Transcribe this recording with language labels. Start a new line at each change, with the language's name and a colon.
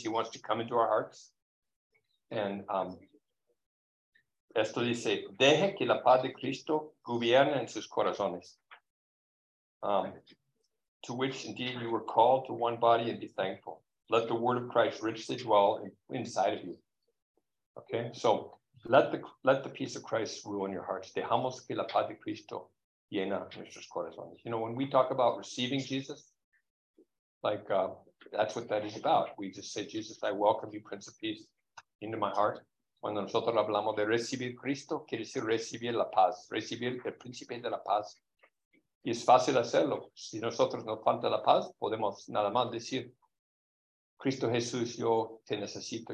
English: He wants to come into our hearts. And
Spanish: esto dice, deje que la paz de Cristo gobierne en sus corazones.
English: To which indeed you were called to one body and be thankful. Let the word of Christ richly dwell inside of you. Okay, so let the peace of Christ rule in your hearts.
Spanish: Dejamos que la paz de Cristo llena nuestros corazones.
English: You know, when we talk about receiving Jesus, like that's what that is about. We just say, Jesus, I welcome you, Prince of Peace, into my heart.
Spanish: Cuando nosotros hablamos de recibir Cristo, quiere decir recibir la paz, recibir el príncipe de la paz. Y es fácil hacerlo. Si nosotros nos falta la paz, podemos nada más decir, Cristo Jesús, yo te necesito.